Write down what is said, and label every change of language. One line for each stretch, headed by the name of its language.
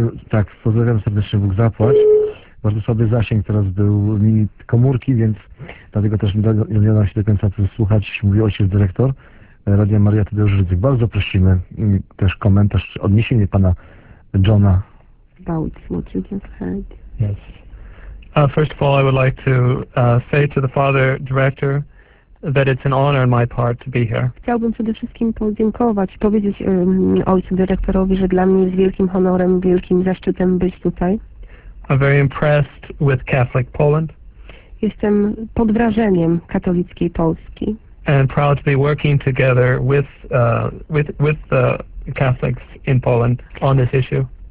Polish: Tak, pozdrawiam serdecznie, Bóg zapłać. Bardzo słaby zasięg teraz był mi komórki, więc dlatego też nie da się do końca słuchać. Mówił ojciec dyrektor Radia Maria Tadeusz Rydzyk. Bardzo prosimy też komentarz, odniesienie pana Johna.
English: About what you just heard. Yes. First of all, I would like to say to the father director that it's an honor on my part to be here.
Polish: Chciałbym przede wszystkim podziękować, powiedzieć ojcu dyrektorowi, że dla mnie jest wielkim honorem, wielkim zaszczytem być tutaj.
English: I'm very impressed with Catholic Poland.
Polish: Jestem pod wrażeniem katolickiej Polski.
English: And proud to be working together with the Catholics in Poland on this issue.